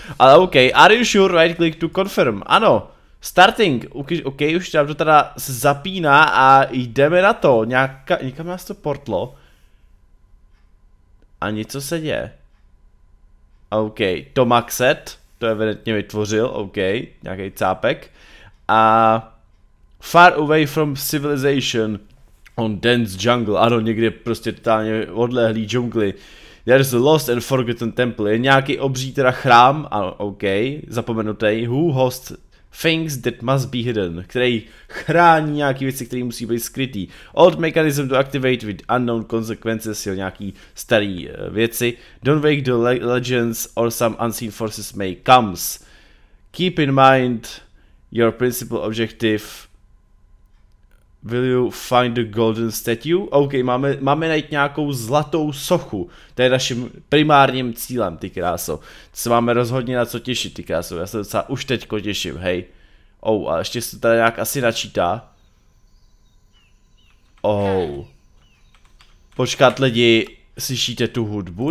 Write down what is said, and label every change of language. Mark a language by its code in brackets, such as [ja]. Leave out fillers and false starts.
[cs] Ale ok, [en] are you sure, right click to confirm, [cs] ano. Starting, ok, už tam to teda se zapíná a jdeme na to, někam nás to portlo. A něco se děje. Ok, to Maxet, to evidentně vytvořil, ok, nějaký cápek. [en] A far away from civilization. On dense jungle, [cs] ano, někde prostě totálně odlehlý džungly. [en] There's a lost and forgotten temple. [cs] Je nějaký obří teda chrám, ano, ok, zapomenutý. [en] Who hosts things that must be hidden, [cs] který chrání nějaký věci, které musí být skrytý. [en] Old mechanism to activate with unknown consequences, [cs] jo, nějaký starý věci. [en] Don't wake the legends or some unseen forces may comes. Keep in mind your principal objective. Will you find the golden statue? [cs] Ok, máme najít nějakou zlatou sochu. To je naším primárním cílem, ty kráso. Co máme rozhodně na co těšit, ty kráso. Já se docela už teďko těším, hej. Ou, oh, a ještě se to tady nějak asi načítá. Ou. Oh. Počkat, lidi, slyšíte tu hudbu?